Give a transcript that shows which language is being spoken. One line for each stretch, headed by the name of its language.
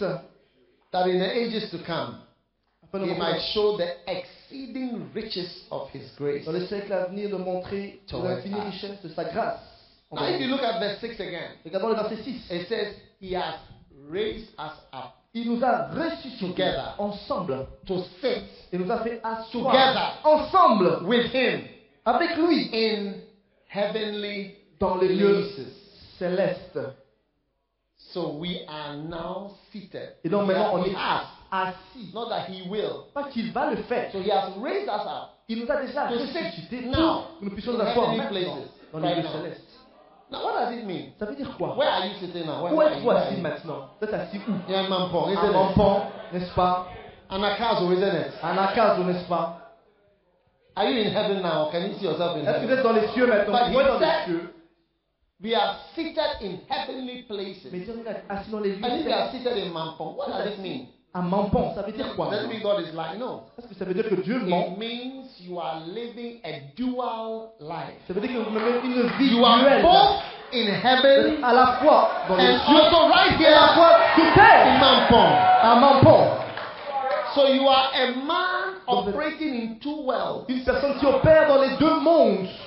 English: that in the ages to come, he might show the exceeding riches of his grace,
French: dans les siècles à venir de montrer l'infinie richesse de sa grâce.
English: Now, if you look at verse 6 again,
French: regardons le verset 6.
English: It says, he has raised us up.
French: Il nous a ressuscités
English: together,
French: ensemble,
English: to sit,
French: il nous a fait asseoir,
English: together,
French: ensemble,
English: with him,
French: avec lui,
English: in heavenly,
French: dans les lieux célestes.
English: So we are now seated.
French: Et donc maintenant on est assis.
English: Not that he will.
French: Pas qu'il va le faire.
English: So he has raised us up.
French: Il nous a déjà ressuscité.
English: Now,
French: que nous puissions asseoir maintenant
English: places,
French: dans les lieux célestes.
English: Now what does it mean?
French: Ça veut dire quoi?
English: Where are you sitting now?
French: Où es-tu assis maintenant? Tu es assis où? Il y a un mampon. Un mampon, n'est-ce pas?
English: Un acaso, isn't it?
French: Un acaso, n'est-ce pas?
English: Are you in heaven now? Can you see yourself in heaven?
French: Êtes-vous dans les cieux maintenant? Vous êtes dans les cieux.
English: We are seated in heavenly places.
French: Mais Dieu nous a assis dans les lieux.
English: And if we are seated in mampon, what does it mean?
French: Un mampon, ça veut dire quoi?
English: Does it mean God is lying? No.
French: Est-ce que ça veut dire que Dieu ment?
English: It means you are living a dual life.
French: Ça veut dire que vous menez une vie duel.
English: You are
French: duel.
English: Both in heaven,
French: à la fois dans les cieux,
English: and also right here,
French: à la fois sur terre.
English: In mampon.
French: Un mampon.
English: So you are a man operating in two worlds.
French: Une personne qui opère dans les deux mondes.